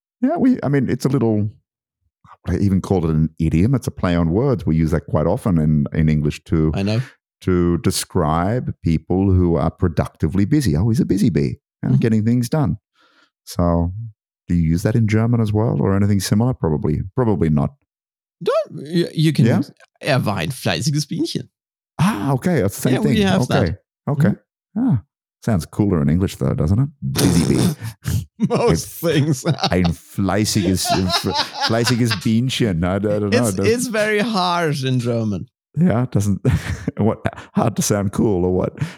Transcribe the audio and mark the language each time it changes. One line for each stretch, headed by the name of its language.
English: Yeah, it's a little, I even call it an idiom. It's a play on words. We use that quite often in English too. I know. To describe people who are productively busy. Oh, he's a busy bee, getting things done. So do you use that in German as well or anything similar? Probably not. Don't you can use
German: er war ein fleißiges Bienchen.
English: Ah, okay. That's the same thing. We have okay. That. Okay. Mm-hmm. Ah, sounds cooler in English though, doesn't it? Busy bee. Most things.
German: Ein fleißiges Bienchen.
English: I don't know. It's very harsh in German. Yeah, doesn't what hard to sound cool or what?